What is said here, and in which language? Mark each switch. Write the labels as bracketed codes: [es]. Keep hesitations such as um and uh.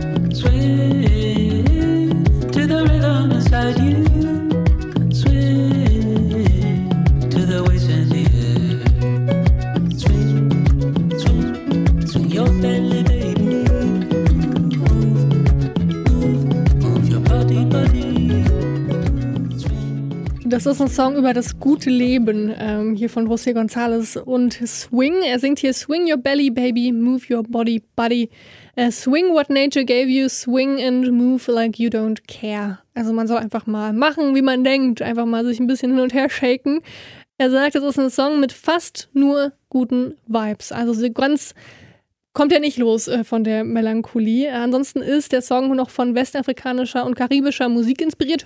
[en] Swing to the rhythm inside you. Swing to the waves in the air. Swing, swing, swing your belly, baby. Move, move, move your body, body. [de] Das ist ein Song über das gute Leben ähm, hier von José González und Swing. Er singt hier [en] Swing your belly, baby, move your body, buddy. Äh, swing what nature gave you, swing and move like you don't care. [de] Also man soll einfach mal machen, wie man denkt, einfach mal sich ein bisschen hin und her shaken. Er sagt, es ist ein Song mit fast nur guten Vibes. Also so ganz kommt er nicht los äh, von der Melancholie. Äh, Ansonsten ist der Song noch von westafrikanischer und karibischer Musik inspiriert.